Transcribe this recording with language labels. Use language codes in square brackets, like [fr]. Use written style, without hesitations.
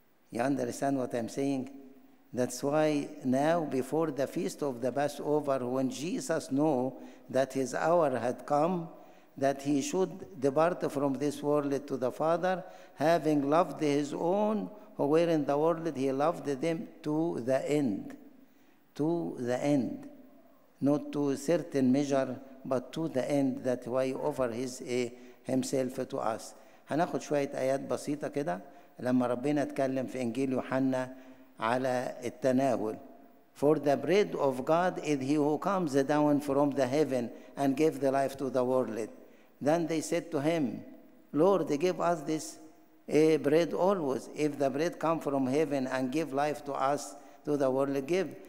[en] You understand what I'm saying? That's why now before the feast of the Passover, when Jesus knew that his hour had come, that he should depart from this world to the Father, having loved his own who were in the world, he loved them to the end. To the end. Not to a certain measure, but to the end. That's why he offered his himself to us. [ar] هناخد شوية آيات بسيطة كده لما ربنا اتكلم في إنجيل يوحنا على التناول. [en] For the bread of God is he who comes down from the heaven and gave the life to the world. Then they said to him, Lord, give us this bread always. If the bread come from heaven and give life to us, to the world, give.